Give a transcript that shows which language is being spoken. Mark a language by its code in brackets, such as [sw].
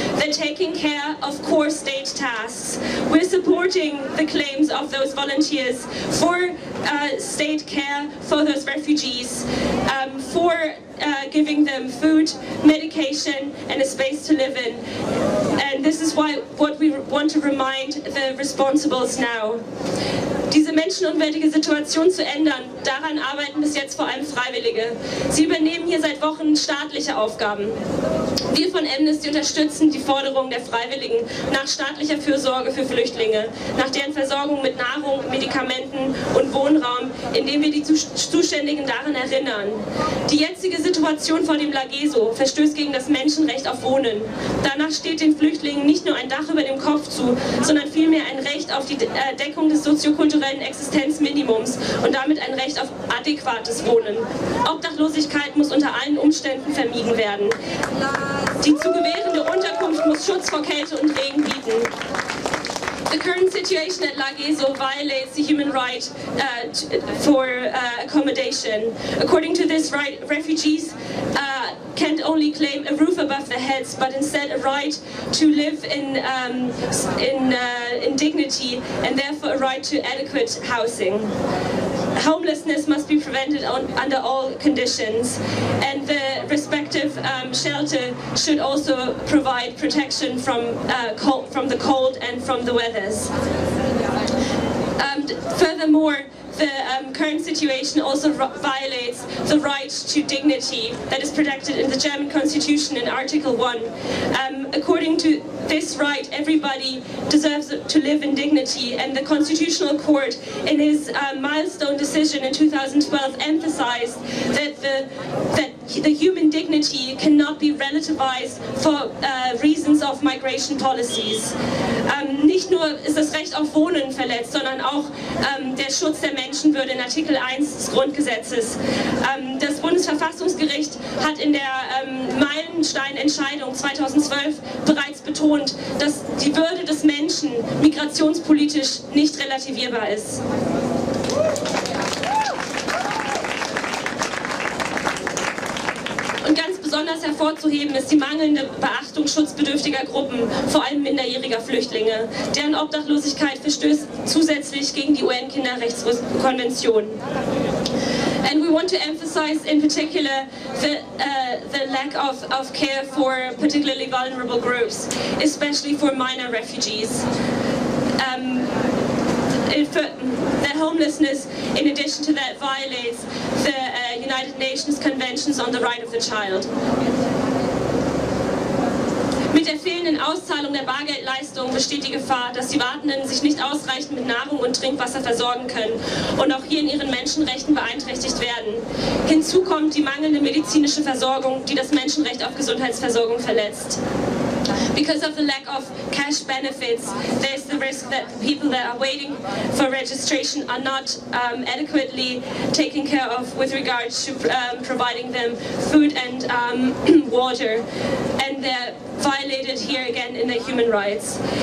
[en] They're taking care of core state tasks. We're supporting the claims of those volunteers for state care for those refugees, for giving them food, medication, and a space to live in. And this is why what we want to remind the responsibles now. [de] Diese menschenunwürdige Situation zu ändern, daran arbeiten bis jetzt vor allem Freiwillige. Sie übernehmen hier seit Wochen staatliche Aufgaben. Wir von Amnesty unterstützen die Forderungen der Freiwilligen nach staatlicher Fürsorge für Flüchtlinge, nach deren Versorgung mit Nahrung, Medikamenten und Wohnraum, indem wir die Zuständigen daran erinnern. Die jetzige Situation vor dem Lageso verstößt gegen das Menschenrecht auf Wohnen. Danach steht den Flüchtlingen nicht nur ein Dach über dem Kopf zu, sondern vielmehr ein Recht auf die Deckung des soziokulturellen Existenzminimums und damit ein Recht auf adäquates Wohnen. Obdachlosigkeit muss unter allen Umständen vermieden werden. Die zu gewährende Unterkunft muss Schutz vor Kälte und Regen bieten. [en] The current situation at Lageso violates the human right for accommodation. According to this right, refugees can't only claim a roof above their heads, but instead a right to live in dignity and therefore a right to adequate housing. Homelessness must be prevented under all conditions, and the respective shelter should also provide protection from the cold and from the weathers. Furthermore, the current situation also violates the right to dignity that is protected in the German Constitution in Article 1. According to this right, everybody deserves to live in dignity, and the Constitutional Court in his milestone decision in 2012 emphasized that the human dignity cannot be relativized for reasons of migration policies. [de] Nicht nur ist das Recht auf Wohnen verletzt, sondern auch der Schutz der Menschenwürde in Artikel 1 des Grundgesetzes. Das Bundesverfassungsgericht hat in der Meilensteinentscheidung 2012 bereits betont, dass die Würde des Menschen migrationspolitisch nicht relativierbar ist. Besonders hervorzuheben ist die mangelnde Beachtung schutzbedürftiger Gruppen, vor allem minderjähriger Flüchtlinge. Deren Obdachlosigkeit verstößt zusätzlich gegen die UN-Kinderrechtskonvention. [en] And we want to emphasize in particular the lack of care for particularly vulnerable groups, especially for minor refugees. That homelessness, in addition to that, violates the United Nations Conventions on the Right of the Child. [de] Mit der fehlenden Auszahlung der Bargeldleistung besteht die Gefahr, dass die Wartenden sich nicht ausreichend mit Nahrung und Trinkwasser versorgen können und auch hier in ihren Menschenrechten beeinträchtigt werden. Hinzu kommt die mangelnde medizinische Versorgung, die das Menschenrecht auf Gesundheitsversorgung verletzt. [en] Because of the lack of cash benefits, there's the risk that people that are waiting for registration are not adequately taken care of with regards to providing them food and water, and they're violated here again in their human rights.